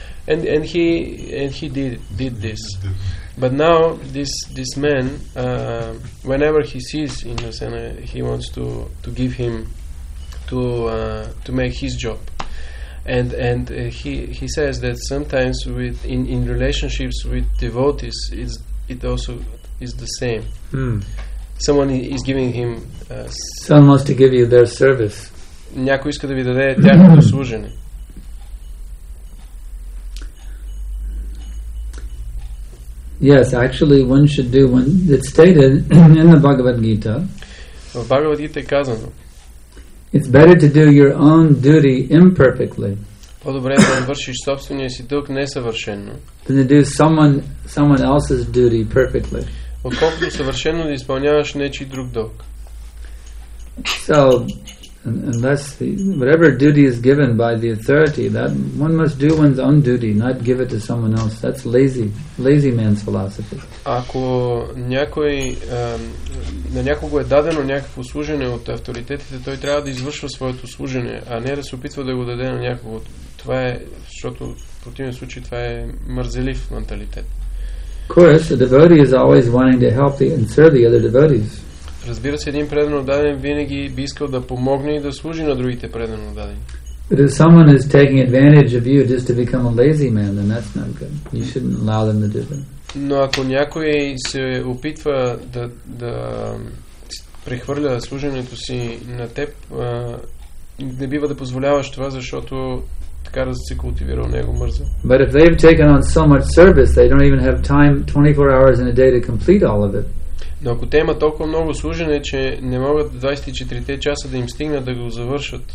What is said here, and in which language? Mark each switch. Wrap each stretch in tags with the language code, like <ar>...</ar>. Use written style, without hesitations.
<en>and he did this. But now this man, whenever he sees Indrasena, he wants to give him to make his job, and he says that sometimes with in relationships with devotees it also is the same. Mm. Someone is giving him. Someone wants to give you their service.</en> <bg>Някой иска да ви даде тяхното служене.</bg> <en>Yes, actually one should do one. It's stated in the Bhagavad Gita.</en> <bg>В Бхагавад Гита е казано.</bg> <en>It's better to do your own duty imperfectly.</en> <bg>По-добре е да вършиш собствения си дълг несъвършено.</bg> <en>Than to do someone else's duty perfectly.</en> <bg>Отколкото съвършено да изпълняваш нечи друг дълг.</bg> <en>So, unless whatever duty is given by the authority, that one must do one's own duty, not give it to someone else. That's lazy man's philosophy.</en> <bg>Ако някой на някого е дадено някакво служене от авторитетите, той трябва да извършва своето служене, а не да се опитва да го даде на някого. Това е, защото в противен случай това е мързелив менталитет.</bg> <en>Of course, a devotee is always wanting to help and serve the other devotees.</en> <bg>Разбира се, един предано даден винаги би искал да помогне и да служи на другите предано дадени.</bg> <en>But if someone is taking advantage of you just to become a lazy man, then that's not good. You shouldn't allow them to do that.</en> <bg>Но ако някой се опитва да прехвърля служенето си на теб, не бива да позволяваш това, защото така да се култивира у него мърза.</bg> <en>But if they've taken on so much service, they don't even have time 24 hours in a day to complete all of it.</en> <bg>Но ако те имат толкова много служене, че не могат 24 часа да им стигнат да го завършат,</bg>